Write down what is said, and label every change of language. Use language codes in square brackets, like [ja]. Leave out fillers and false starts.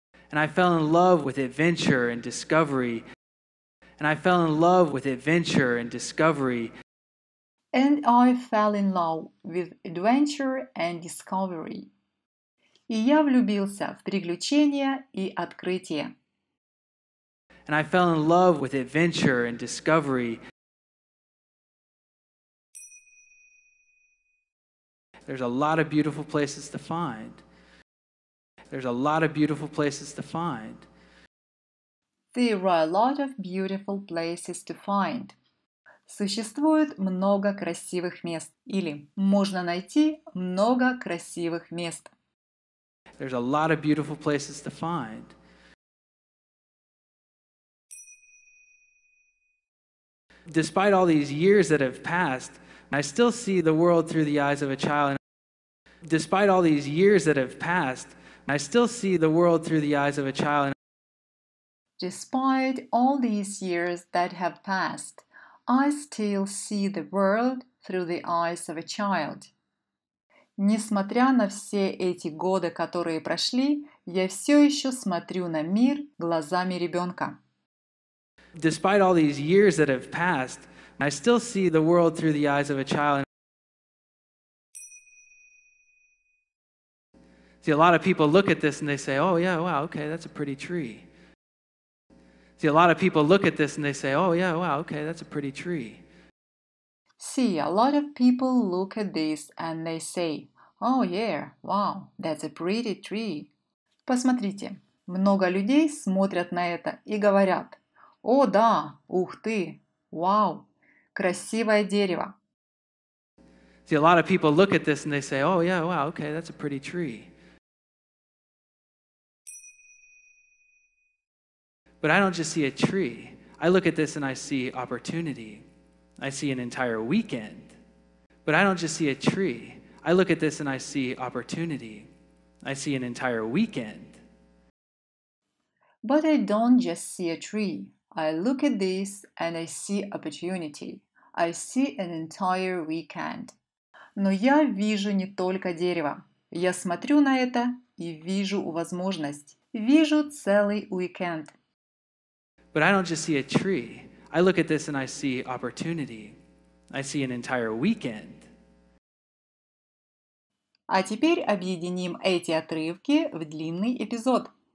[en] And I fell in love with adventure and discovery. And I fell in love with adventure and discovery. And I fell in love with adventure and discovery. [ru] И я влюбился в приключения и открытия. [en] And I fell in love with adventure and discovery. There's a lot of beautiful places to find. There's a lot of beautiful places to find. There are a lot of beautiful places to find. [ru] Существует много красивых мест. Или можно найти много красивых мест. [en] There's a lot of beautiful places to find. Despite all these years that have passed, I still see the world through the eyes of a child. Despite all these years that have passed, I still see the world through the eyes of a child. Despite all these years that have passed, I still see the world through the eyes of a child. [ru] Несмотря на все эти годы, которые прошли, я все еще смотрю на мир глазами ребенка. [en] Despite all these years that have passed, I still see the world through the eyes of a child. See, a lot of people look at this and they say, oh yeah, wow, okay, that's a pretty tree. See, a lot of people look at this and they say, oh yeah, wow, okay, that's a pretty tree. See, a lot of people look at this and they say, oh yeah, wow, that's a pretty tree. [ru] Посмотрите, много людей смотрят на это и говорят, о да, ух ты, вау, красивое дерево. [en] See, a lot of people look at this and they say, oh yeah, wow, okay, that's a pretty tree. But I don't just see a tree. I look at this and I see opportunity. I see an entire weekend. But I don't just see a tree. I look at this and I see opportunity. I see an entire weekend. But I don't just see a tree. I look at this and I see opportunity. I see an entire weekend. [ru] Но я вижу не только дерево. Я смотрю на это и вижу возможность. Вижу целый уикенд. [en] But I don't just see a tree. I look at this and I see opportunity. I see an entire weekend. [ru] А теперь объединим эти отрывки в длинный эпизод.